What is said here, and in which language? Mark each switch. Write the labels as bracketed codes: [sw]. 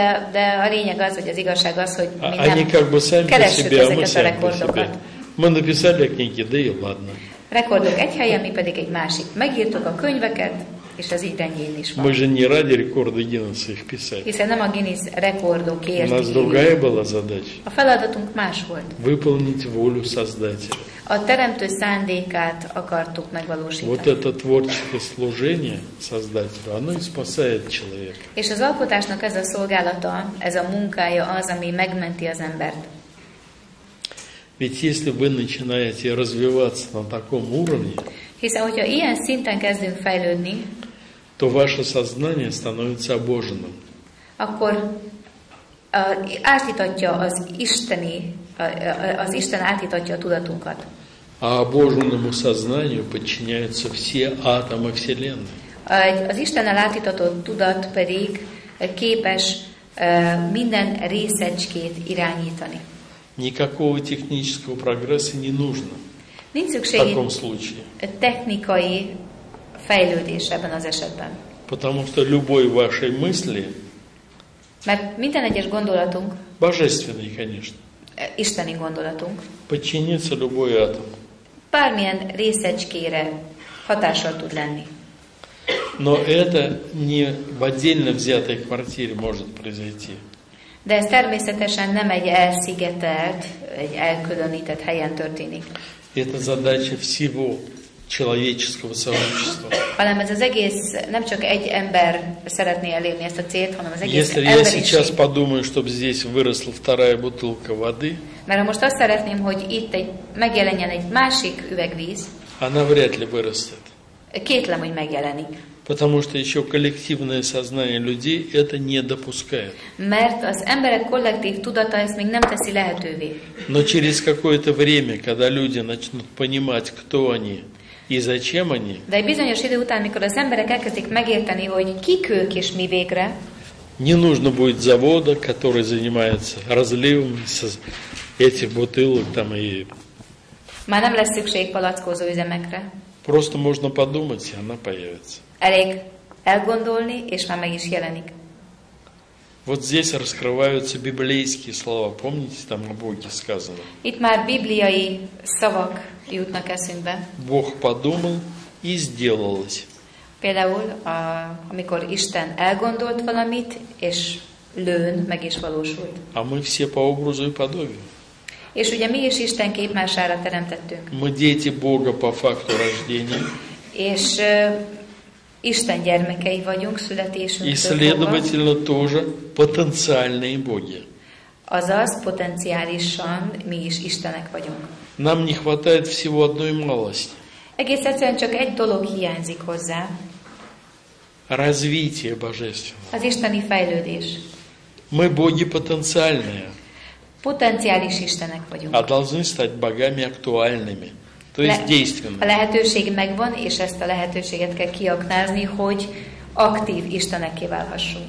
[hu] De a lényeg az, hogy az igazság az, hogy mi [ru] они [hu] nem [ru] как бы сами по себе, а мы сами по себе. Мы написали книги, да и ладно. [hu] Рекордок egy helyen, mi pedig egy másik. Megírtuk a könyveket, és az így rendjén is van. [ru] Мы же не ради рекорда Гиннесса их писать. [hu] Hiszen nem a Guinness rekordokért. [ru] У нас другая была задача. [hu] A feladatunk más volt. [ru] Выполнить волю Создателя. [hu] A teremtő szándékát akartuk megvalósítani. [ru] Вот это творческое служение создателю, оно и спасает человека. [hu] És az alkotásnak ez a szolgálata, ez a munkája az, ami megmenti az embert. [ru] Ведь если вы начинаете развиваться на таком уровне, [hu] hiszen, hogyha ilyen szinten kezdünk fejlődni, [ru] то ваше сознание становится обоженным. [hu] Akkor átítatja az isteni, az Isten átítatja a tudatunkat. [ru] А обожженному сознанию подчиняются все атомы Вселенной. [hu] Az Istennel átítatott tudat pedig képes minden részecskét irányítani. [ru] Никакого технического прогресса не нужно. [hu] Nincs szükség [ru] в таком случае. [hu] Technikai fejlődés ebben az esetben. [ru] Потому что любой вашей мысли. [hu] Mert minden egyes gondolatunk. [ru] Божественный, конечно. [hu] Isteni gondolatunk. [ru] Подчинится любой атом. [hu] Bármilyen részecskére hatással tud lenni. [ru] Но это не в отдельно взятой квартире может произойти. [hu] De ez természetesen nem egy elszigetelt, egy elkülönített helyen történik. [ru] Это задача всего человеческого сообщества. [hu] Hanem ez az egész, nem csak egy ember szeretné elérni ezt a célt, hanem az egész emberiség. [ru] Если я сейчас подумаю, чтобы здесь выросла вторая бутылка воды. [hu] Mert ha most azt szeretném, hogy itt egy megjelenjen egy másik üvegvíz. [ru] Она вряд ли вырастет. [hu] Kétlem, hogy megjelenik. [ru] Потому что еще коллективное сознание людей это не допускает. [hu] Mert az emberek kollektív tudata ezt még nem teszi lehetővé. [ru] Но через какое-то время, когда люди начнут понимать, кто они. И зачем они? [hu] De bizonyos idő után, mikor az emberek elkezdik megérteni, hogy kik ők és mi végre. [ru] Не нужно будет завода, который занимается разливом этих бутылок там и. [hu] Már nem lesz szükség palackozó üzemekre. [ru] Просто можно подумать, и она появится. [hu] Elég elgondolni, és már meg is jelenik. [ru] Вот здесь раскрываются библейские слова. Помните, там о Боге сказано? [hu] Itt már bibliai szavak jutnak eszünkbe. [ru] Бог подумал и сделалось. [hu] Például, amikor Isten elgondolt valamit, és lőn, meg is valósult. [ru] А мы все по образу и подобию. [hu] És ugye mi is Isten képmására teremtettünk. [ru] Мы дети Бога по факту рождения. [hu] És Isten gyermekei vagyunk születésünktől. [ru] И следовательно тоже потенциальные боги. [hu] Azaz potenciálisan mi is Istenek vagyunk. [ru] Нам не хватает всего одной малости. [hu] Egész egyszerűen csak egy dolog hiányzik hozzá. [ru] Развитие божественное. [hu] Az isteni fejlődés. [ru] Мы боги потенциальные. [hu] Потенциális Istenek vagyunk. [ru] А должны стать богами актуальными. То есть действенными. [hu] A lehetőség megvan, és ezt a lehetőséget kell kiaknázni, hogy aktív Istenekké válhassunk.